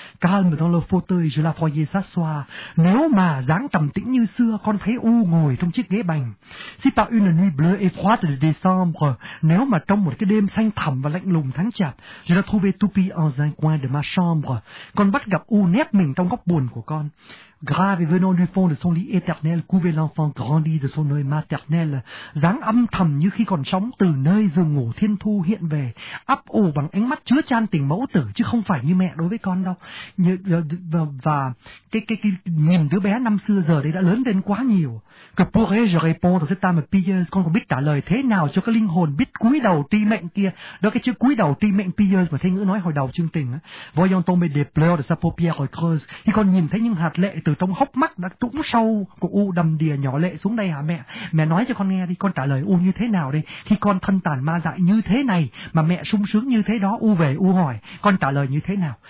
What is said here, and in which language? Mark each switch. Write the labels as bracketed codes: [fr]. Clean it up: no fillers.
[fr] Calme dans le fauteuil, je la voyais s'asseoir, [vi] nếu mà dáng trầm tĩnh như xưa, con thấy u ngồi trong chiếc ghế bành. [fr] Si par une nuit bleue et froide de décembre, [vi] nếu mà trong một cái đêm xanh thẳm và lạnh lùng tháng chạp, [fr] je la trouvais toupie en un coin de ma chambre, [vi] con bắt gặp u nép mình trong góc buồn của con. [fr] Grave et venant du fond de son lit éternel, couvait l'enfant grandi de son œil maternel. [vi] Dáng âm thầm như khi còn sống từ nơi giường ngủ thiên thu hiện về, ấp ủ bằng ánh mắt chứa chan tình mẫu tử chứ không phải như mẹ đối với con đâu. Như, và cái nhìn đứa bé năm xưa giờ đây đã lớn lên quá nhiều. [fr] Que pourrais-je répondre à cette âme pieuse? [vi] Con có biết trả lời thế nào cho cái linh hồn biết cúi đầu ti mệnh kia? Đó cái chữ cúi đầu ti mệnh pieuse mà Thanh Ngữ nói hồi đầu chương trình. [fr] Voyant tomber des pleurs de sa paupière creuse, [vi] khi con nhìn thấy những hạt lệ từ trong hốc mắt đã trũng sâu của u đầm đìa nhỏ lệ xuống đây hả mẹ? Mẹ nói cho con nghe đi, con trả lời u như thế nào đây? Khi con thân tàn ma dại như thế này mà mẹ sung sướng như thế đó, u về u hỏi, con trả lời như thế nào?